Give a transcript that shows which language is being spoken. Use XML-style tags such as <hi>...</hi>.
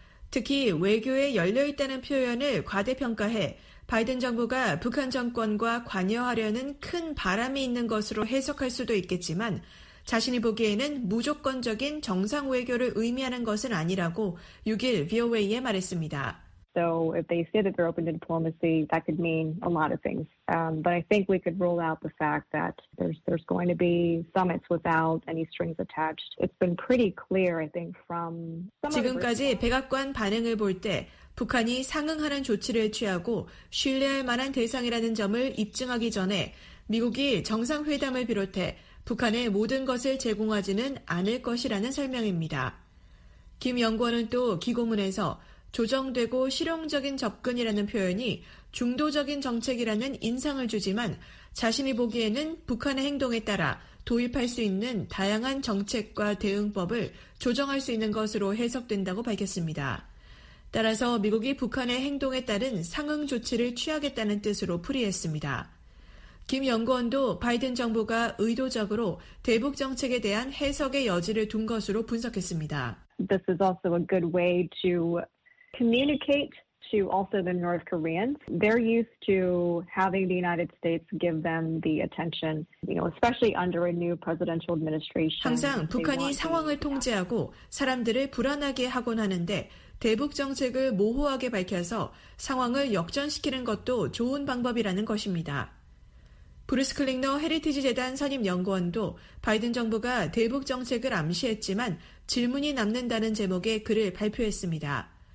<ko>특히 외교에 열려있다는 표현을 과대평가해 바이든 정부가 북한 정권과 관여하려는 큰 바람이 있는 것으로 해석할 수도 있겠지만 자신이 보기에는 무조건적인 정상 외교를 의미하는 것은 아니라고 6일 VOA에 말했습니다.</ko> <en>So if they say that they're open to diplomacy, that could mean a lot of things. But I think we could rule out the fact that there's going to be summits without any strings attached. It's been pretty clear, I think, from some</en> <ko>지금까지 백악관 반응을 볼 때 북한이 상응하는 조치를 취하고 신뢰할 만한 대상이라는 점을 입증하기 전에 미국이 정상회담을 비롯해 북한에 모든 것을 제공하지는 않을 것이라는 설명입니다. 김 연구원은 또 기고문에서 조정되고 실용적인 접근이라는 표현이 중도적인 정책이라는 인상을 주지만 자신이 보기에는 북한의 행동에 따라 도입할 수 있는 다양한 정책과 대응법을 조정할 수 있는 것으로 해석된다고 밝혔습니다. 따라서 미국이 북한의 행동에 따른 상응 조치를 취하겠다는 뜻으로 풀이했습니다. 김 연구원도 바이든 정부가 의도적으로 대북 정책에 대한 해석의 여지를 둔 것으로 분석했습니다.</ko> <en>This is also a good way to communicate to also the North Koreans. They're used to having the United States give them the attention, you know, especially under a new presidential administration.</en> <ko>항상 북한이 상황을 통제하고 사람들을 불안하게 하곤 하는데 대북 정책을 모호하게 밝혀서 상황을 역전시키는 것도 좋은 방법이라는 것입니다. 브루스 클링너 헤리티지 재단 선임 연구원도 바이든 정부가 대북 정책을 암시했지만 질문이 남는다는 제목의 글을 발표했습니다.</ko>